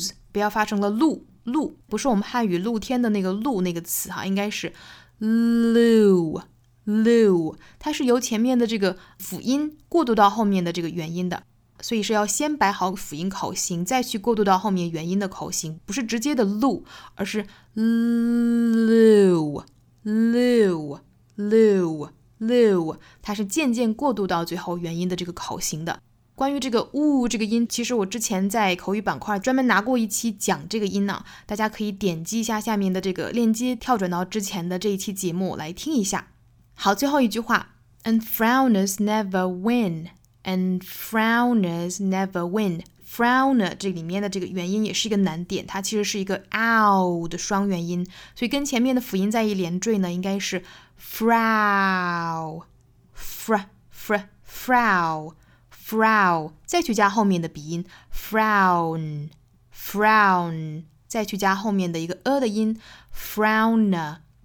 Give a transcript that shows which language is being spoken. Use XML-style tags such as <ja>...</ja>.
<zh>不要发成了露，不是我们汉语露天的那个露那个词哈，应该是 lu 它是由前面的这个辅音过渡到后面的这个元音的，所以是要先摆好辅音口型再去过渡到后面元音的口型，不是直接的录，而是 lu 它是渐渐过渡到最后元音的这个口型的。关于这个 u 这个音，其实我之前在口语板块专门拿过一期讲这个音呢，大家可以点击一下下面的这个链接跳转到之前的这一期节目来听一下。好，最后一句话</zh> <en>and frowners never winAnd frowners never win.</en> <zh>Frowner 这里面的这个元音也是一个难点，它其实是一个 ow 的双元音，所以跟前面的辅音在一连缀呢，应该是 frow, fr, fr, frow, frow, 再去加后面的鼻音 frown, frown, 再去加后面的一个 的音 frowner.</zh>